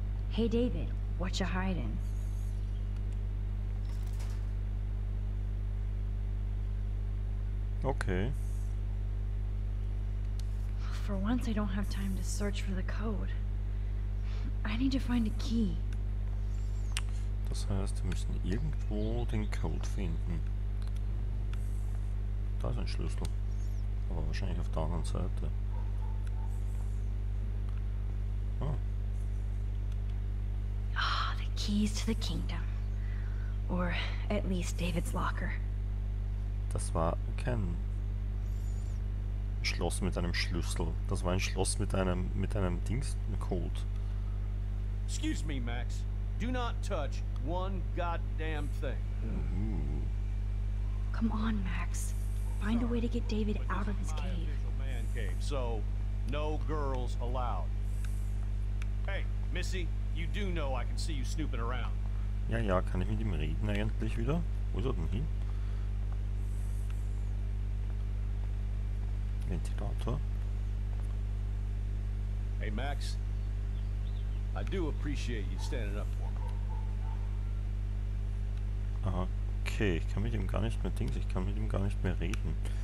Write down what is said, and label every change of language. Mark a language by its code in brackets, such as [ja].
[en] Hey David, what you hiding? Okay. For once I don't have time to search for the code. I need to find a key. [de] Das heißt, wir müssen irgendwo den Code finden. Da ist ein Schlüssel. Aber wahrscheinlich auf der anderen Seite. [en] Ah. Oh, the keys to the kingdom. Or at least David's locker. [de] Das war kein Schloss mit einem Schlüssel. Das war ein Schloss mit einem Dingscode. [en] Excuse me, Max. Do not touch one goddamn thing. Ooh. Come on, Max. Find a way to get David out of his cave. This is my official man cave, so no girls allowed. Hey, Missy, you do know I can see you snooping around. [de] Ja, ja, kann ich mit ihm reden eigentlich wieder? Wo ist er denn hin? Ventilator. [en] Hey Max, I do appreciate you standing up for me. [de] Aha, okay, ich kann mit ihm gar nicht mehr Dings, ich kann mit ihm gar nicht mehr reden.